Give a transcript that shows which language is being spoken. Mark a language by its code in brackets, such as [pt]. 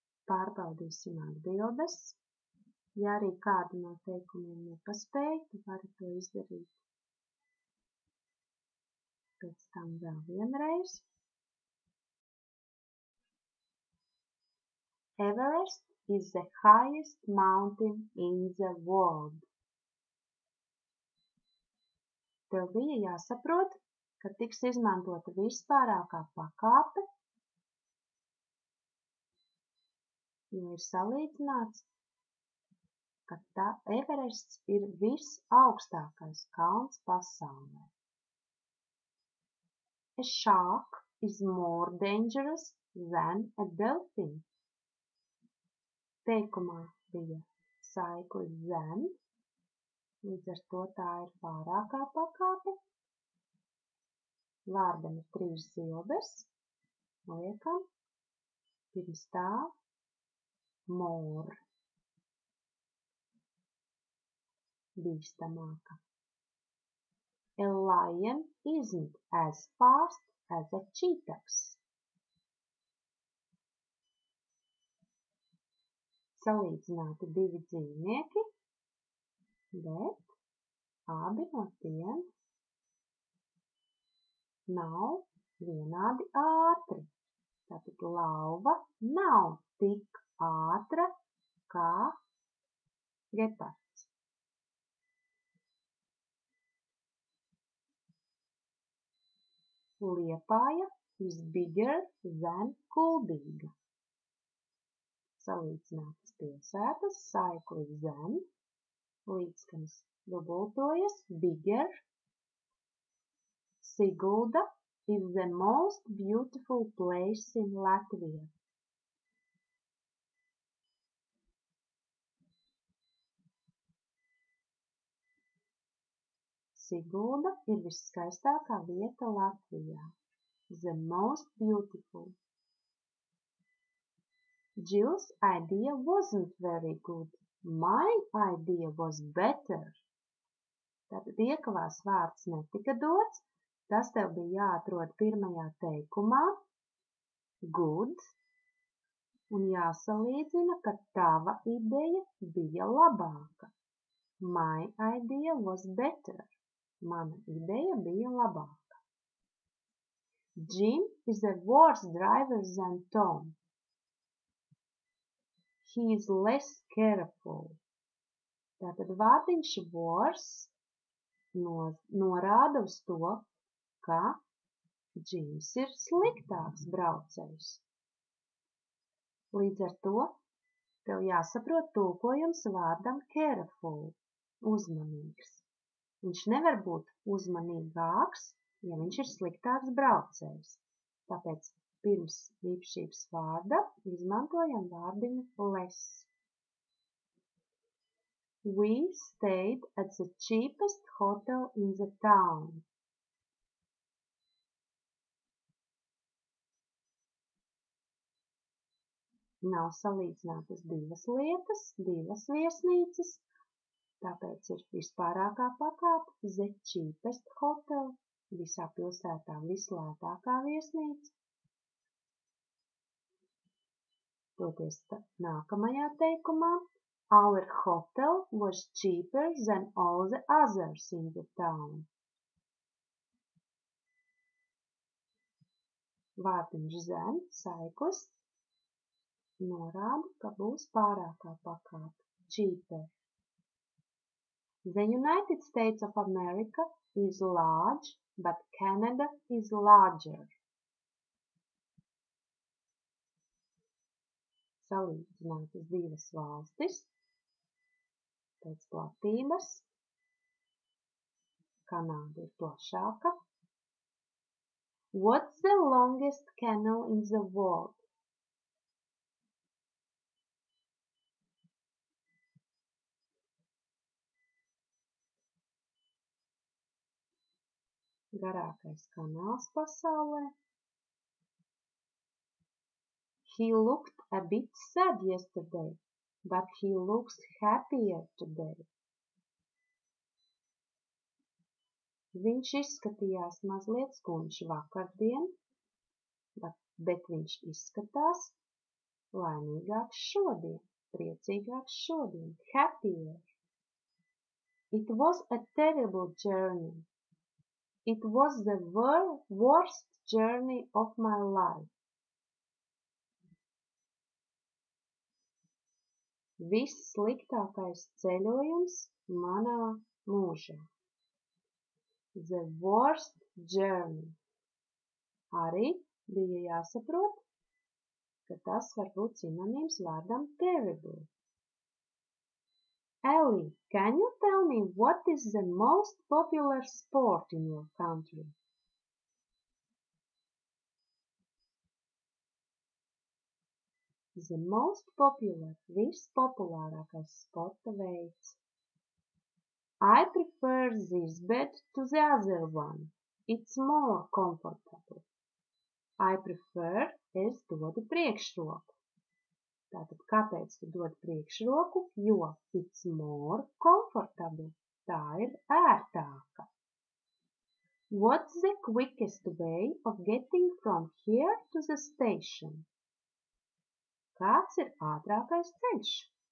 [lv] Pārbaudīsim atbildes. Ja arī kādu no teikumiem nepaspēj, tu vari to izdarīt pēc tam vēl vienreiz. [en] Everest is the highest mountain in the world. [lv] Tev bija jāsaprot, ka tiks izmantota vispārākā pakāpe, jo ir salīdzināts, ka tā Everests ir visaugstākais kalns pasaulē. [en] A shark is more dangerous than a dolphin. [lv] Teikumā bija saikli than, līdz ar to tā ir pārākā pakāpe. Vārdam ir trīs zilbes, liekam, pirms tā. [en] More. [lv] Bīstamāka. [en] A lion isn't as fast as a cheetah. [lv] salīdzināti divi dzīvnieki, bet abi no tiem nav vienādi ātri. Tātad lauva nav tik ātra kā gepards. [en] Liepāja is bigger than Kuldīga. [lv] Salīdzinātas pilsētas saikli zem, līdzskanis dubultojas bigger. [en] Sigulda is the most beautiful place in Latvia. [lv] Sigulda ir visskaistākā vieta Latvijā. [en] The most beautiful. Jill's idea wasn't very good. My idea was better. [lv] Tātad iekavās vārds netika dots. Tas tev bija jāatrod pirmajā teikumā. [en] Good. [lv] Un jāsalīdzina, ka tava ideja bija labāka. [en] My idea was better. [lv] Mana ideja bija labāka. [en] Jim is a worse driver than Tom. He is less careful. [lv] Tātad vārdiņš worse norāda uz to, ka Jims ir sliktāks braucējs. Līdz ar to tev jāsaprot tulkojums vārdam careful, uzmanīgs. Viņš nevar būt uzmanīgāks, ja viņš ir sliktāks braucējs. Tāpēc pirms īpašības vārda izmantojam vārdiņu less. [en] We stayed at the cheapest hotel in the town. [lv] Nav salīdzinātas divas lietas, divas viesnīcas, tāpēc ir vispārākā pakāpe [en] the cheapest hotel, [lv] visā pilsētā vislētākā viesnīca. Toties nākamajā teikumā, [en] our hotel was cheaper than all the others in the town. [lv] Vārdiņš zem, saiklis. Norāda, ka būs pārākā pakāpe – cheaper. [en] The United States of America is large, but Canada is larger. [lv] Salīdzinātas divas valstis pēc platības. Kanāda ir plašāka. [en] What's the longest canal in the world? [lv] Garākais kanāls pasaulē. [en] He looked a bit sad yesterday, but he looks happier today. [lv] Viņš izskatījās mazliet skumjš vakardien, bet viņš izskatās laimīgāks šodien, priecīgāks šodien, happier. [en] It was a terrible journey. It was the worst journey of my life. [lv] Vissliktākais ceļojums manā mūžā. [en] The worst journey. [lv] Arī bija jāsaprot, ka tas var būt sinonīms vārdam terrible. [en] Ellie, can you tell me what is the most popular sport in your country? The most popular, [lv] vispopulārākais sporta veids. [en] I prefer this bed to the other one. It's more comfortable. I prefer, [lv] es dodu priekšroku. Tātad, kāpēc tu dod priekšroku? [en] Jo it's more comfortable. [lv] Tā ir ērtāka. [en] What's the quickest way of getting from here to the station? [lv] Kāds ir ātrākais ceļš,